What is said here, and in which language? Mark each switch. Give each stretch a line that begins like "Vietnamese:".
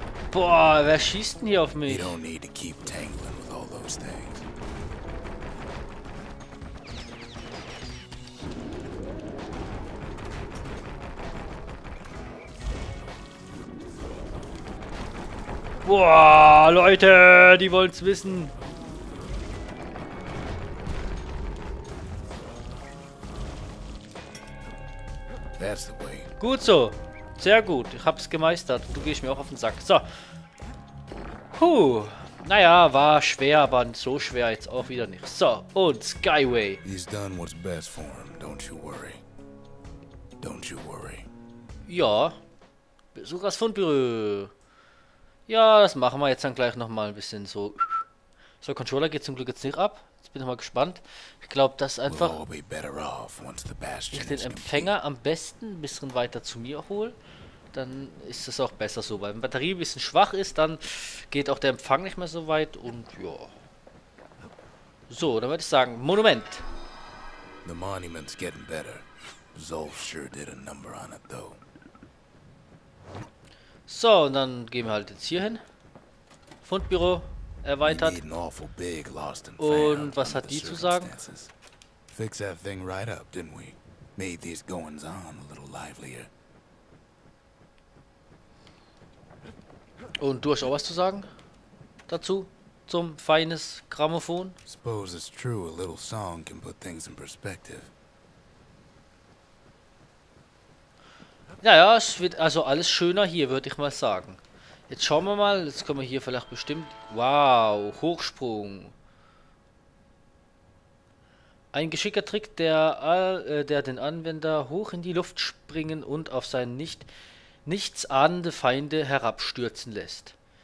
German: Boah, wer schießt denn hier auf mich?
English: You don't need to keep tangling with all those things.
German: Boah, Leute, die wollen's wissen.
English: That's the way.
German: Gut so. Sehr gut, ich hab's gemeistert. Du gehst mir auch auf den Sack. So. Puh. Naja, war schwer, aber so schwer jetzt auch wieder nicht. So, und Skyway.
English: He's done what's best for him, don't you worry. Don't you worry.
German: Ja. Besuch das Fundbüro. Ja, das machen wir jetzt dann gleich nochmal ein bisschen so. So, Controller geht zum Glück jetzt nicht ab. Jetzt bin ich mal gespannt. Ich glaube, dass einfach ich den Empfänger am besten ein bisschen weiter zu mir hole. Dann ist es auch besser so. Weil wenn die Batterie ein bisschen schwach ist, dann geht auch der Empfang nicht mehr so weit. Und ja. So, dann würde ich sagen, Monument.
English: The monument's getting better. Zolf sure did a number on it, though.
German: So, und dann gehen wir halt jetzt hier hin. Fundbüro erweitert. Und was hat die zu sagen?
English: Fix that thing right up, didn't we? Made these goings on a little livelier.
German: Und du hast auch was zu sagen? Dazu? Zum feines Grammophon?
English: Suppose it's true, a little song can put things in perspective.
German: Naja, es wird also alles schöner hier, würde ich mal sagen. Jetzt schauen wir mal, jetzt kommen wir hier vielleicht bestimmt... Wow, Hochsprung. Ein geschickter Trick, der den Anwender hoch in die Luft springen und auf seine nichts ahnende Feinde herabstürzen lässt.